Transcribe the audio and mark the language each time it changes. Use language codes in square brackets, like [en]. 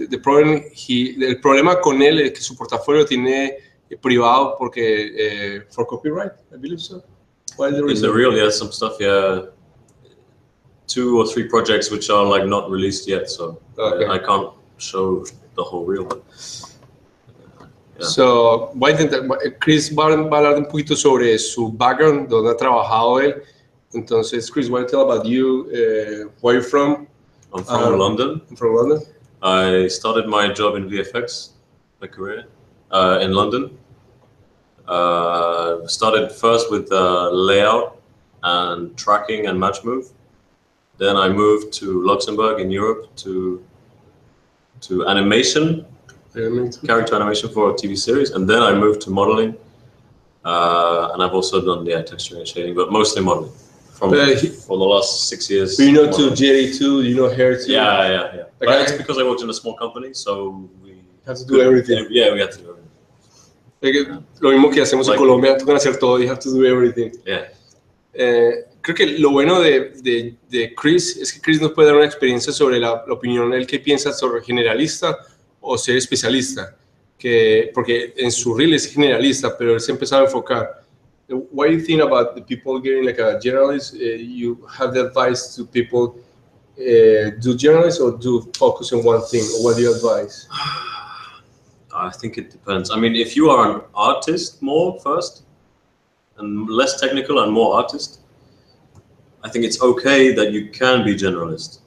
[es] El problema con él es que su portafolio tiene privado porque [en] for copyright, I believe so. Why is the reason? It's real, yeah, some stuff, yeah. Two or three projects which are like not released yet, so okay. I can't show the whole reel. But, [es] So, voy a intentar, Chris va a hablar un poquito sobre su background, donde ha trabajado él. Entonces, [en] Chris, what do you tell about you? Where are you from? I'm from London. I'm from London. I started my job in VFX, my career, in London. Started first with layout and tracking and match move. Then I moved to Luxembourg in Europe to animation, character animation for a TV series. And then I moved to modeling. And I've also done the texture and shading, but mostly modeling for the last 6 years. You know, to JD2, you know, Hair too. Yeah. Like, but it's because I worked in a small company, so we have to do everything. Yeah, we have to do everything. [es] Like, lo mismo que hacemos en Colombia, tú vas a hacer todo, [en] you have to do everything. Yeah. [es] Creo que lo bueno de Chris es que Chris nos puede dar una experiencia sobre la opinión de él, qué piensa sobre generalista o ser especialista, porque en su reel es generalista, pero él se empezó a enfocar. [en] What do you think about the people getting like a generalist? You have the advice to people do generalist or do focus on one thing? Or what do you advise? I think it depends. I mean, if you are an artist more first and less technical and more artist, I think it's okay that you can be generalist.